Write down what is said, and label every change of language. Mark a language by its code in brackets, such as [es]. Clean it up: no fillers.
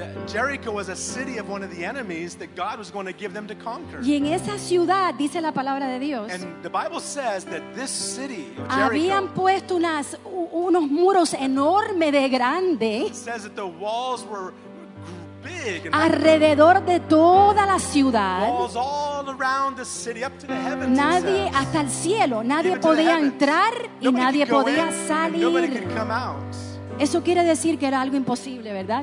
[en] Jericho was a city of one of the enemies that God was going to give them to conquer. [es] Y en esa ciudad, dice la palabra de Dios, [en] and the Bible says that this city, Jericho, [es] habían puesto unos muros enormes de grande. [en] It says that the walls were big [es] alrededor de toda la ciudad. [en] Walls all around the city, up to the heavens, [es] nadie hasta el cielo, nadie podía entrar y nadie podía salir. Eso quiere decir que era algo imposible, ¿verdad?